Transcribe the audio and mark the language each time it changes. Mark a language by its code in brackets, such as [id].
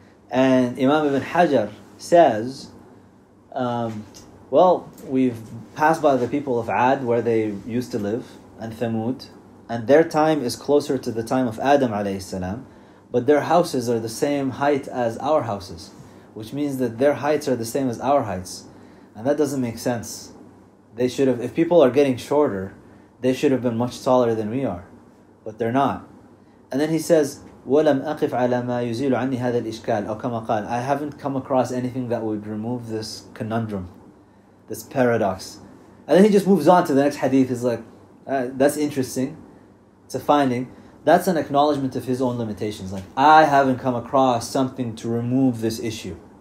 [en] And Imam Ibn Hajar says, well, we've passed by the people of Ad where they used to live, and Thamud, and their time is closer to the time of Adam alayhi salam, but their houses are the same height as our houses, which means that their heights are the same as our heights. And that doesn't make sense. They should have, if people are getting shorter, they should have been much taller than we are, but they're not. And then he says, [ar] وَلَمْ أَقِفْ عَلَى مَا يُزِيلُ عَنِّي هَذَا الْإِشْكَالِ أَوْ كَمَا قَالَ. [en] I haven't come across anything that would remove this conundrum, this paradox. And then he just moves on to the next hadith. He's like, that's interesting. It's a finding. That's an acknowledgement of his own limitations. Like, I haven't come across something to remove this issue.